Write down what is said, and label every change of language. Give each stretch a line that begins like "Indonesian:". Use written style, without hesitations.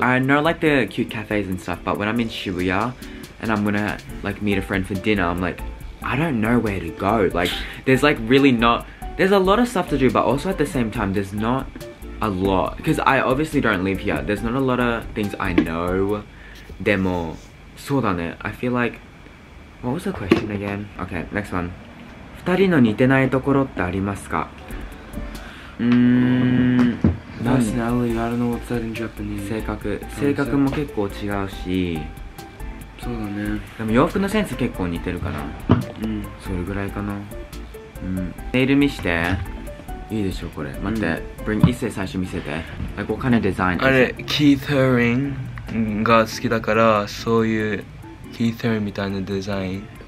English: I know like the cute cafes and stuff, but when I'm in Shibuya and I'm gonna like meet a friend for dinner, I'm like, I don't know where to go. Like, there's like really not. There's a lot of stuff to do, but also at the same time, there's not a lot. Because I obviously don't live here. There's not a lot of things I know.
Japanese: Demo, sodane.
English: I feel like, what was the question again? Okay, next one.
Japanese: 2人の似てないところってありますか?
English: Personality, I don't know what's that in Japanese.
Japanese: 性格も結構違うし。そうだね。でも洋服のセンス結構似てるかな。うん。それぐらいかな。ネイル見して。いいでしょこれ。待って。
English: Bring issey
Japanese: 最初見せて。
English: Like what kind of design?
Japanese: あれ、Keith Haring が好きだから、そういう Keith Haring みたいなデザイン。